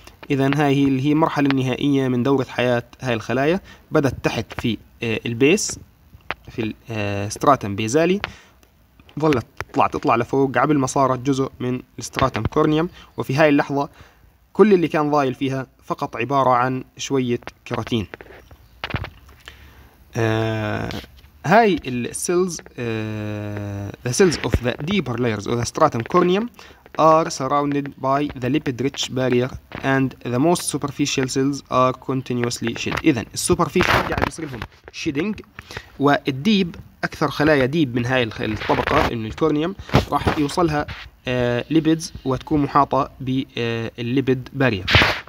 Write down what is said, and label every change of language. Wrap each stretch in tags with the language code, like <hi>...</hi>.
<ar>اذا هاي هي اللي هي المرحلة النهائية من دورة حياة هاي الخلايا، بدت تحت في البيس في الستراتم بيزالي، ظلت تطلع لفوق قبل ما صارت جزء من الستراتم كورنيوم، وفي هاي اللحظة كل اللي كان ضايل فيها فقط عبارة عن شوية كيراتين. هاي السيلز</ar> <en>the cells of the deeper layers of the stratum corneum are surrounded by the lipid rich barrier and the most superficial cells are continuously shed.</en> <ar>إذن superficial يعني بصير لهم shedding، والديب أكثر خلايا ديب من هاي الطبقة من الكورنيوم راح يوصلها lipids وتكون محاطة بالlipid barrier.</ar>